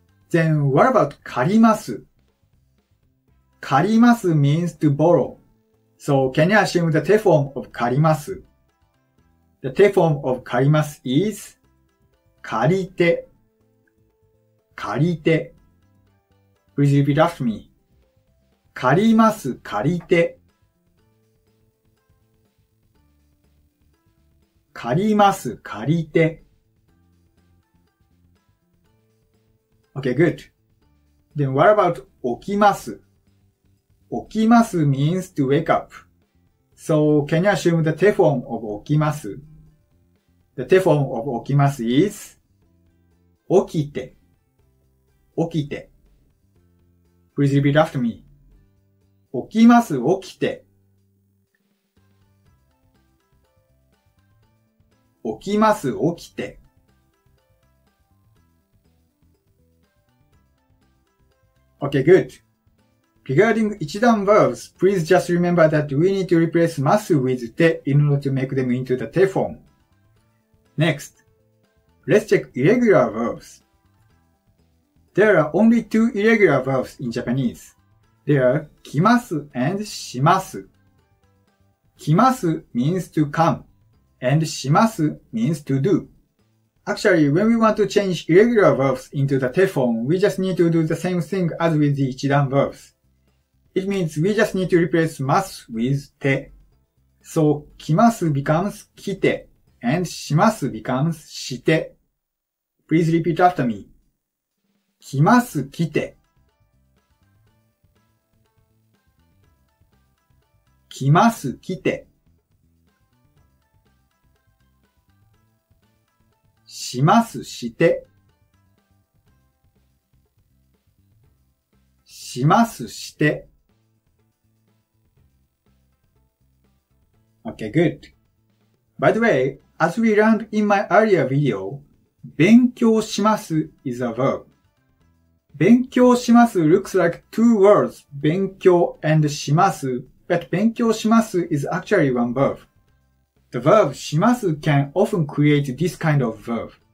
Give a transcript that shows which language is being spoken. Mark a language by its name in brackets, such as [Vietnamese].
[English] Then, what about 借ります? 借ります means to borrow. So, can you assume the て form of 借ります? The te form of 借ります is 借りて借りて。 Please repeat after me. [Japanese] 借ります借りて借ります借りて。 [English] Okay, good. Then what about 起きます起きます means to wake up. So can you assume the te form of 起きます The te form of 起きます is 起きて起きて。 Please repeat after me. [Japanese] 起きます起きて起きます起きて。 [English] Okay, good. Regarding 一段 verbs, please just remember that we need to replace ます with て in order to make them into the te form. Next, let's check irregular verbs. There are only two irregular verbs in Japanese. They are 来ます and します。 来ます means to come, and します means to do. Actually, when we want to change irregular verbs into the te form, we just need to do the same thing as with the 一段 verbs. It means we just need to replace ます with て. So, 来ます becomes 来て and します becomes して. Please repeat after me. [Japanese] 来ます来て来ます来てしますしてしますして [English] Okay, good. By the way, as we learned in my earlier video, 勉強します is a verb. 勉強します looks like two words, 勉強 and します, but 勉強します is actually one verb. The verb します can often create this kind of verb.